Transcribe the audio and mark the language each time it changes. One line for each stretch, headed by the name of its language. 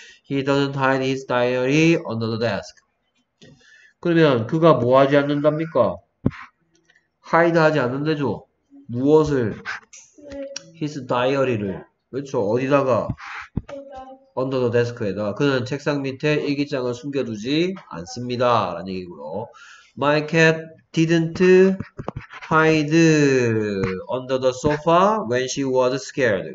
English: He doesn't hide his diary under the desk.
Korean: 그러면 그가 뭐 하지 않는답니까? hide 하지 않는데죠. 무엇을?
English: his diary
Korean: 를. 그렇죠. 어디다가?
English: under the desk
Korean: 에다가. 그는 책상 밑에 일기장을 숨겨두지 않습니다. 라는 얘기고요.
English: my cat didn't hide under the sofa when she was scared.